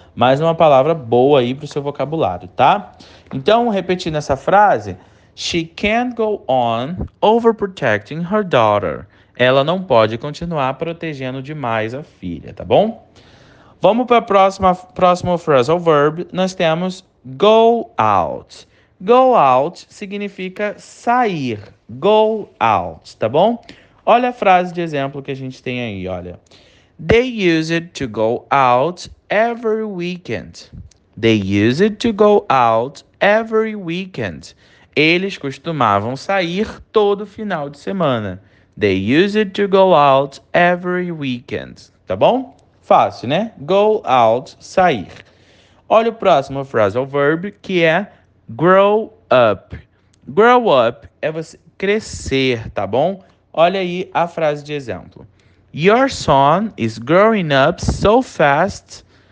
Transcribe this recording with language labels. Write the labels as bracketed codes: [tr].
[pt] Mais uma palavra boa aí pro seu vocabulário, tá? Então, repetindo essa frase, [en] she can't go on overprotecting her daughter. [pt] Ela não pode continuar protegendo demais a filha, tá bom? Vamos para a próxima phrasal verb. Nós temos go out. Go out significa sair. Go out, tá bom? Olha a frase de exemplo que a gente tem aí, olha. [en] They use it to go out every weekend. They use it to go out every weekend. [pt] Eles costumavam sair todo final de semana. [en] They use it to go out every weekend. [pt] Tá bom? Fácil, né? Go out, sair. Olha o próximo phrasal verb, que é grow up. Grow up é você crescer, tá bom? Olha aí a frase de exemplo. [en] Your son is growing up so fast.